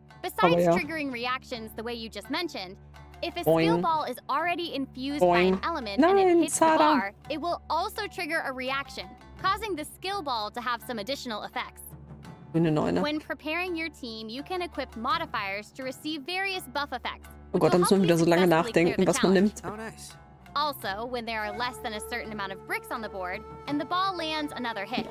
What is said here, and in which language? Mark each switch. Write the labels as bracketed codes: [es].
[en] Besides triggering reactions the way you just mentioned, if a skill ball is already infused by an element and it hits the bar, it will also trigger a reaction, causing the skill ball to have some additional effects. When preparing your team, you can equip modifiers to receive various buff effects. [de] Oh Gott, da muss man wieder so lange nachdenken, was man nimmt. [en] Also, when there are less than a certain amount of bricks on the board and the ball lands another hit,